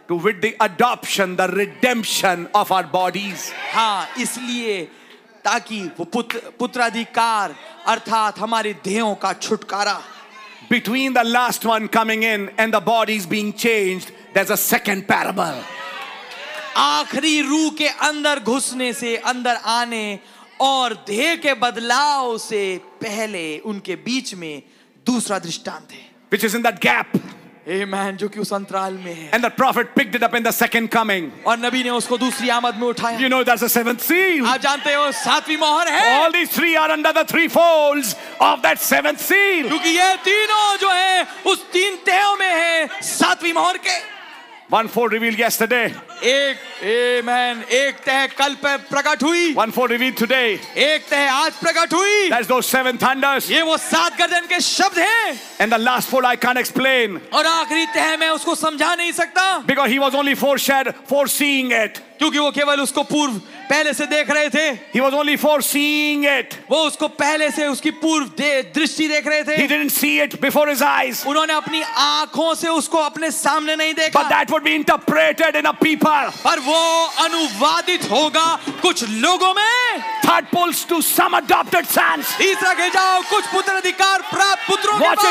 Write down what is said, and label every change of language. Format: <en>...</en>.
<en>To with the adoption, the redemption of our bodies.</en> <hi>हाँ, इसलिए ताकि वो पुत्राधिकार अर्थात हमारे देहों का छुटकारा.</hi> <en>Between the last one coming in and the bodies being changed, there is a second parable.</en> <hi>आखरी रूह के अंदर घुसने से अंदर आने और देह के बदलाव से पहले उनके बीच में दूसरा दृष्टांत है</hi> <en>which is in that gap</en> <hi>Amen, जो कि उस अंतराल में है.</hi> <en>And the prophet picked it up in the second coming.</en> <hi>और नबी ने उसको दूसरी आमद में उठाया.</hi> <en>You know that's the seventh seal.</en> <hi>आप जानते हो सातवीं मोहर है.</hi> <en>All these three are under the three folds of that seventh seal.</en> <hi>क्योंकि ये तीनों जो हैं उस तीन तहों में हैं सातवीं मोहर के.</hi> <en>One fold revealed yesterday.</en> <hi>एक Amen. एक तह कल पे प्रकट हुई.</hi> <en>One fold revealed today.</en> <hi>एक तह आज प्रकट हुई.</hi> <en>That's those seven thunders.</en> <hi>ये वो सात गर्जन के शब्द हैं.</hi> <en>And the last fold I can't explain.</en> <hi>और आखिरी तह मैं उसको समझा नहीं सकता.</hi> <en>Because he was only foreseeing it.</en> <hi>क्योंकि वो केवल उसको पूर्व पहले से देख रहे थे.</hi> <en>He was only foreseeing it.</en> <hi>वो उसको पहले से उसकी पूर्व दृष्टि देख रहे थे.</hi> <en>He didn't see it before his eyes.</en> <hi>उन्होंने अपनी आँखों से उसको अपने सामने नहीं देखा.</hi> <en>But that would be interpreted in a people.</en> <hi>पर वो अनुवादित होगा कुछ लोगों में.</hi> <en>Third pulls to some adopted sons.</en> <hi>तीसरा के जाओ कुछ पुत्र अधिकार प्राप्त पुत्रों के पास.</hi>